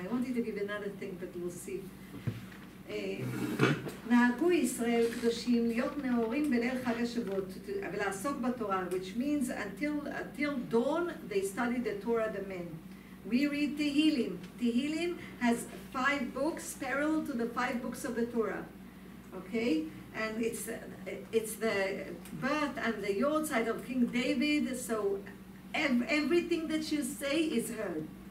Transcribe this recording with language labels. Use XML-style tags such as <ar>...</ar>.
<en>I wanted to give another thing, but we'll see.</en> <he>נהגו ישראל קדושים להיות נאורים בליל חג השבועות ולעסוק בתורה,</he> <en>which means until dawn they study the Torah, the men. We read Tehillim. Tehillim has five books parallel to the five books of the Torah. Okay? And it's the birth and the yahrzeit of King David, so everything that you say is heard.</en>